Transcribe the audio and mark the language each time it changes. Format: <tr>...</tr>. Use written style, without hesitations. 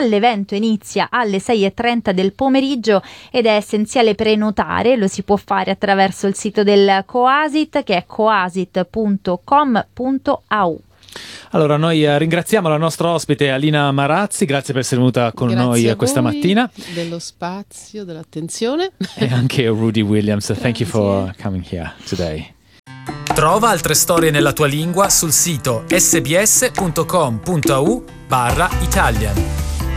<it>L'evento inizia alle 6:30 del pomeriggio ed è essenziale prenotare, lo si può fare attraverso il sito del Coasit, che è coasit.com.au. Allora, noi ringraziamo la nostra ospite Alina Marazzi, grazie per essere venuta con grazie noi questa mattina. Grazie a voi dello spazio, dell'attenzione. E anche Rudy Williams, grazie.</it> <en>Thank you for coming here today.</en> <it>Trova altre storie nella tua lingua sul sito sbs.com.au/italian.</it>